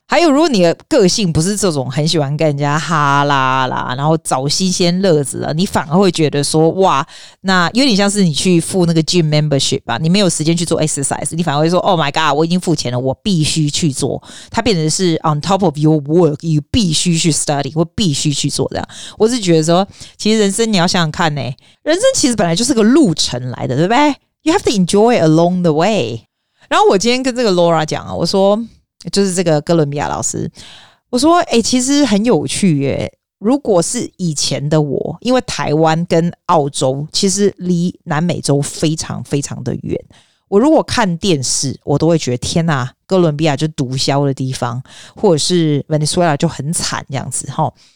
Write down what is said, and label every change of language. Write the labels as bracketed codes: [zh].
[zh] 还有如果你的个性不是这种很喜欢跟人家哈啦啦然后找新鲜乐子的，你反而会觉得说哇，那有点像是你去付那个 gym membership 吧，你没有时间去做 exercise， 你反而会说 [en] Oh my god， [zh] 我已经付钱了，我必须去做，它变成是 [en] on top of your work， you [zh] 必须去 study 或必须去做这样。我是觉得说其实人生你要想想看，人生其实本来就是个路程来的，对不对？ [en] You have to enjoy along the way。 [zh] 然后我今天跟这个 Laura 讲啊，我说就是这个哥伦比亚老师，我说欸，其实很有趣耶，如果是以前的我，因为台湾跟澳洲其实离南美洲非常非常的远，我如果看电视我都会觉得天哪，哥伦比亚就毒枭的地方，或者是 Venezuela 就很惨这样子哈。